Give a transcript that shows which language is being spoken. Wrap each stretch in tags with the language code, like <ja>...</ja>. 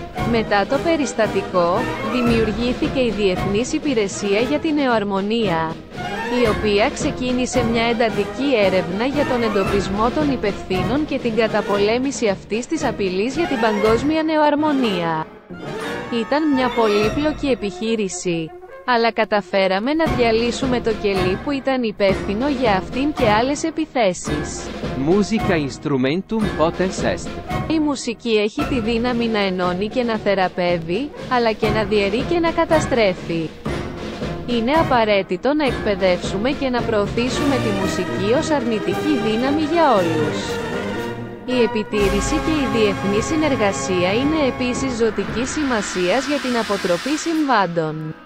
<el>Μετά το περιστατικό, δημιουργήθηκε η Διεθνής Υπηρεσία για την Νεοαρμονία, η οποία ξεκίνησε μια εντατική έρευνα για τον εντοπισμό των υπευθύνων και την καταπολέμηση αυτής της απειλής για την παγκόσμια νεοαρμονία. Ήταν μια πολύπλοκη επιχείρηση, αλλά καταφέραμε να διαλύσουμε το κελί που ήταν υπεύθυνο για αυτήν και άλλες επιθέσεις.</el> <la>Musica instrumentum potens est.</la> <el>Η μουσική έχει τη δύναμη να ενώνει και να θεραπεύει, αλλά και να διαιρεί και να καταστρέφει. Είναι απαραίτητο να εκπαιδεύσουμε και να προωθήσουμε τη μουσική ως αρνητική δύναμη για όλους. Η επιτήρηση και η διεθνή συνεργασία είναι επίσης ζωτικής σημασίας για την αποτροπή συμβάντων.</el>